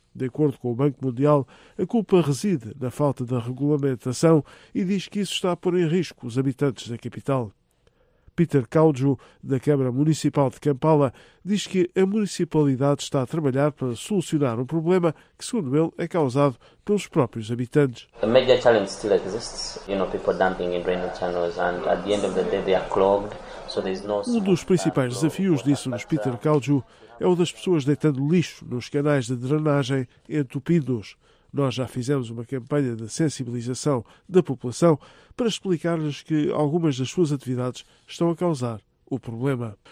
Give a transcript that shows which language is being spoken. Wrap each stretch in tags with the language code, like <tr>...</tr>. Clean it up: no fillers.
<pt>De acordo com o Banco Mundial, a culpa reside na falta de regulamentação e diz que isso está a pôr em risco os habitantes da capital. Peter Caudjo, da Câmara Municipal de Campala, diz que a municipalidade está a trabalhar para solucionar um problema que, segundo ele, é causado pelos próprios habitantes.</pt> <en>A major challenge still exists. You know, people dumping in drainage channels and at the end of the day they are clogged.</en> <pt>Um dos principais desafios, disse-nos Peter Caudjo, é o das pessoas deitando lixo nos canais de drenagem e entupindo-os. Nós já fizemos uma campanha de sensibilização da população para explicar-lhes que algumas das suas atividades estão a causar o problema.</pt>